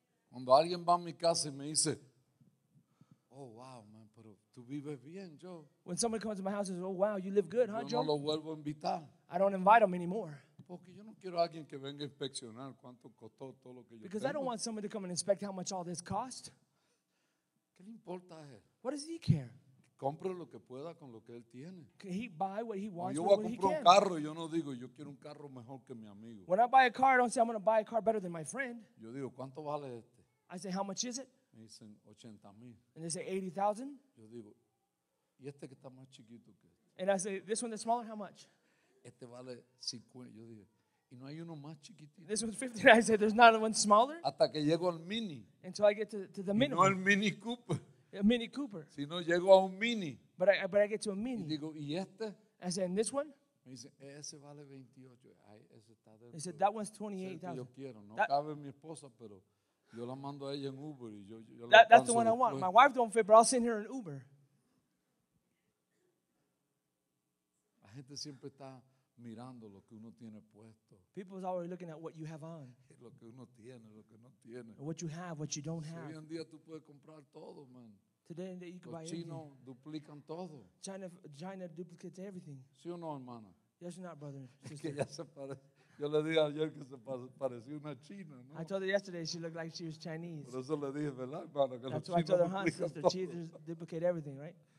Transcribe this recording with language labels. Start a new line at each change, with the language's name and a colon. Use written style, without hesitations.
Spanish: Cuando alguien va a mi casa y me dice,
English: oh wow, man,
Spanish: pero tú vives bien, Joe.
English: When someone comes to my house and says, oh wow, you live good, huh, Joe?
Spanish: No lo vuelvo a invitar.
English: I don't invite them anymore. Because I don't want someone to come and inspect how much all this cost.
Spanish: ¿Qué le importa a él?
English: What does he care?
Spanish: Compre lo que pueda con lo que él tiene.
English: Can he buy what he wants
Spanish: yo
English: with what he
Spanish: un carro, yo no digo, yo quiero un carro mejor que mi amigo.
English: When I buy a car, I don't say I'm going to buy a car better than my friend.
Spanish: Yo digo, ¿cuánto vale este?
English: I say, how much is it?
Spanish: Me dicen, 80,000.
English: And they say, 80,000.
Spanish: Yo digo, ¿y este que está más chiquito que este?
English: And I say, this one that's smaller, how much?
Spanish: Este vale 50, yo dije, y no hay uno más chiquitito.
English: This was 50, I said, there's not one smaller.
Spanish: Hasta que llego al mini.
English: Until I get to the minimum.
Spanish: No al Mini Cooper.
English: A Mini Cooper.
Spanish: Si no, llego a un mini.
English: But I get to a mini.
Spanish: Y digo, ¿y este?
English: I said, and this one?
Spanish: Me dice, ese vale 28. Ay, ese está
English: he said, that one's 28,000.
Spanish: Yo quiero, no that, cabe mi esposa, pero yo la mando a ella en Uber. Y yo
English: that's the one I want. My wife don't fit, but I'll send her an Uber.
Spanish: gente siempre está mirando lo que uno tiene puesto.
English: People is always looking at what you have on.
Spanish: Lo que uno tiene, lo que no tiene.
English: What you have, what you don't have.
Spanish: Hoy en día tú puedes comprar todo, man.
English: Today you can buy everything.
Spanish: Los chinos duplican todo.
English: China duplicates everything.
Spanish: ¿Sí o no, hermana?
English: Yes or not, brother?
Spanish: Que ya se parece. Yo le dije ayer que se parecía una china, ¿no?
English: I told her yesterday she looked like she was Chinese.
Spanish: Por eso le dije, ¿verdad, hermana? Que los chinos duplican todo.
English: That's why I told her, huh, sister, duplicate everything, right?